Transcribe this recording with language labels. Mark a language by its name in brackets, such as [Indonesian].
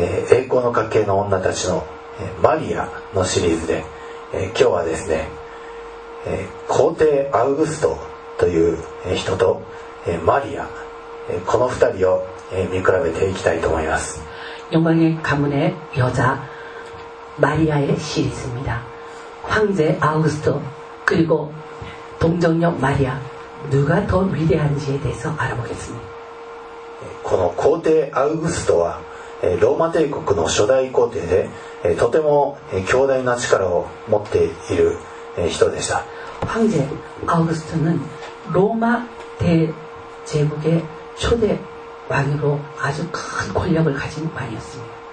[Japanese] 栄光の家系の女たちの、マリアのシリーズで、今日はですね、皇帝アウグストという人と、マリア、この二人を、見比べていきたいと思います。 [Korean] 영광의가문의여자마리아의시리즈입니다황제아우스토그리고동정녀마리아누가더위대한지에대해서알아보겠습니다 [Japanese] この皇帝アウグストはローマ帝国の初代皇帝で、とても強大な力を持っている人でした。 [Korean] 황제아우그스토는로마대제국의초대왕으로아주큰권력을가진왕이었습니다